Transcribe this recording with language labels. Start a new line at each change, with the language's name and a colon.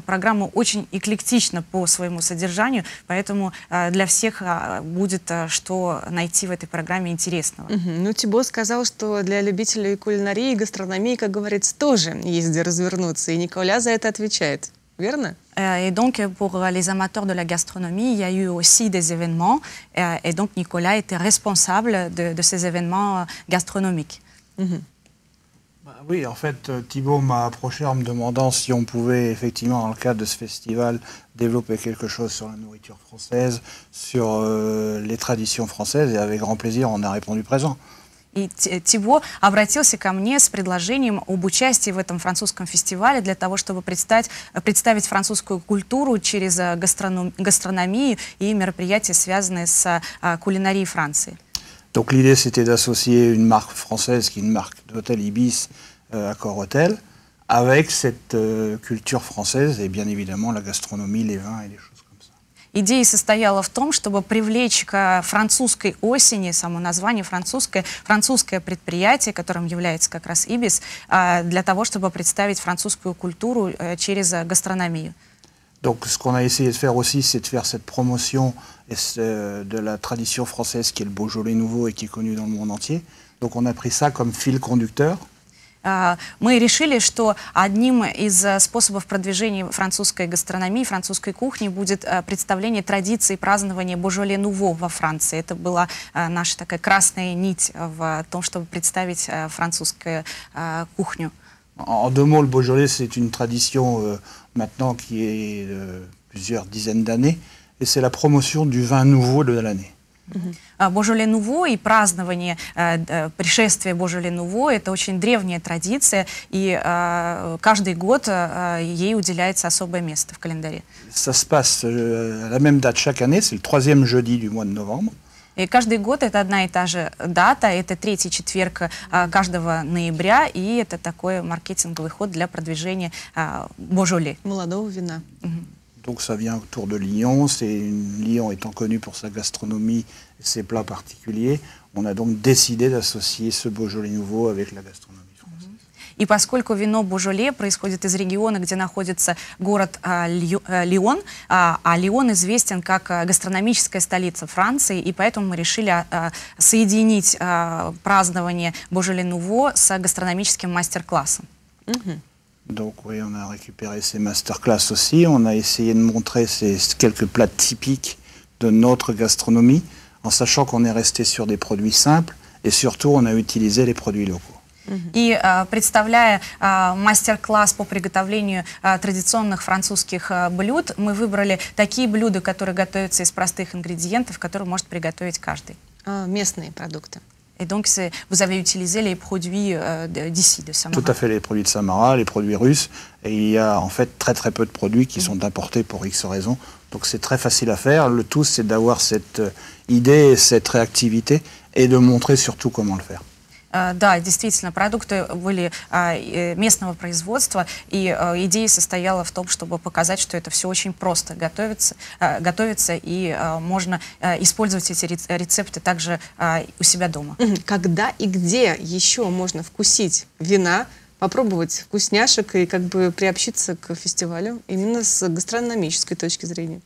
Russian: Программа очень эклектична по своему содержанию, поэтому для всех будет что найти в этой программе интересного. Ну, Тибо сказал, что для любителей кулинарии и гастрономии, как говорится, тоже есть где развернуться. И Николя за это отвечает. Верно?
French: И donc, pour les amateurs de la gastronomie, il y a eu aussi des événements. Et donc, Nicolas était responsable de ces événements gastronomiques. Mm-hmm. Oui, en fait, Thibault m'a approché en me demandant si on pouvait, effectivement, dans le cadre de ce festival, développer quelque chose sur la nourriture française, sur les traditions françaises, et avec grand plaisir, on a répondu présent.
Russian: И Тибо обратился ко мне с предложением об участии в этом французском фестивале для того, чтобы представить французскую культуру через гастрономию и мероприятия, связанные с кулинарией Франции.
French: Donc l'idée c'était d'associer une marque française, qui est une marque d'hôtel Ibis, Accor Hotel, avec cette culture française et bien évidemment la gastronomie, les vins et les choses.
Russian: Идея состояла в том, чтобы привлечь к французской осени, само название французское, французское предприятие, которым является как раз Ibis, для того, чтобы представить французскую культуру через гастрономию.
French: Donc ce qu'on a essayé de faire aussi, c'est de faire cette promotion de la tradition française qui est le Beaujolais nouveau et qui est connue dans le monde entier. Donc on a pris ça comme fil conducteur.
Russian: Мы решили, что одним из способов продвижения французской гастрономии, французской кухни будет представление традиции празднования Божоле Нуво во Франции. Это была наша такая красная нить в том, чтобы представить французскую кухню.
French: En deux mots, le Beaujolais, c'est une tradition maintenant qui est plusieurs dizaines d'années, et c'est la promotion du vin nouveau de l'année.
Russian: Божоле Нуво и празднование пришествия Божоле Нуво – это очень древняя традиция, и каждый год ей уделяется особое место в календаре.
French: Ça se passe à la même date chaque année, c'est le troisième jeudi du mois de novembre.
Russian: И каждый год это одна и та же дата, это третий четверг каждого ноября, и это такой маркетинговый ход для продвижения Божоле. Молодого вина.
French: Donc ça vient autour de Lyon, c'est Lyon étant connu pour sa gastronomie, ses plats particuliers, on a donc décidé d'associer ce Beaujolais nouveau avec la gastronomie française.
Russian: И поскольку вино Божоле происходит из региона, где находится город Лион, а Лион известен как гастрономическая столица Франции, и поэтому мы решили соединить празднование Божоле Нуво с гастрономическим мастер-классом.
French: Donc oui, on a récupéré ces masterclass aussi, on a essayé de montrer ces quelques plats typiques de notre gastronomie, en sachant qu'on est resté sur des produits simples, et surtout on a utilisé les produits locaux.
Russian: И представляя мастер-класс по приготовлению традиционных французских блюд, мы выбрали такие блюда, которые готовятся из простых ингредиентов, которые может приготовить каждый. Местные продукты.
French: Et donc, vous avez utilisé les produits d'ici, de Samara. Tout à fait, les produits de Samara, les produits russes. Et il y a en fait très très peu de produits qui sont importés pour X raisons. Donc c'est très facile à faire. Le tout, c'est d'avoir cette idée, cette réactivité et de montrer surtout comment le faire.
Russian: Да, действительно, продукты были местного производства, и идея состояла в том, чтобы показать, что это все очень просто готовится, и можно использовать эти рецепты также у себя дома. Когда и где еще можно вкусить вина, попробовать вкусняшек и как бы приобщиться к фестивалю именно с гастрономической точки зрения?